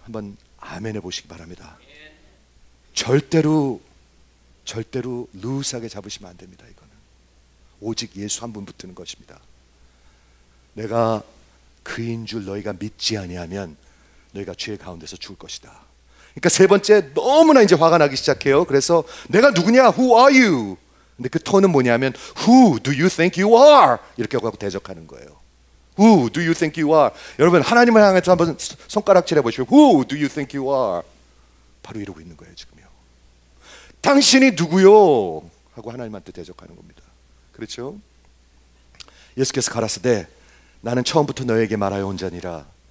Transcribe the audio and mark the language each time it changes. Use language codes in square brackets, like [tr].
[ko] 한번 아멘해 보시기 바랍니다. 절대로 루스하게 잡으시면 안 됩니다. 이거는 오직 예수 한 분 붙드는 것입니다. 내가 그인 줄 너희가 믿지 아니하면 너희가 죄 가운데서 죽을 것이다. 그러니까 세 번째 너무나 이제 화가 나기 시작해요. 그래서 내가 누구냐? [en] Who are you? [ko] 근데 그 톤은 뭐냐면 [en] Who do you think you are? [ko] 이렇게 하고 대적하는 거예요. [en] Who do you think you are? [ko] 여러분 하나님을 향해서 한번 손가락질 해보시고 [en] Who do you think you are? [ko] 바로 이러고 있는 거예요 지금요. 당신이 누구요? 하고 하나님한테 대적하는 겁니다. 그렇죠? 예수께서 가라사대 나는 처음부터 너에게 말하여 온 자니라.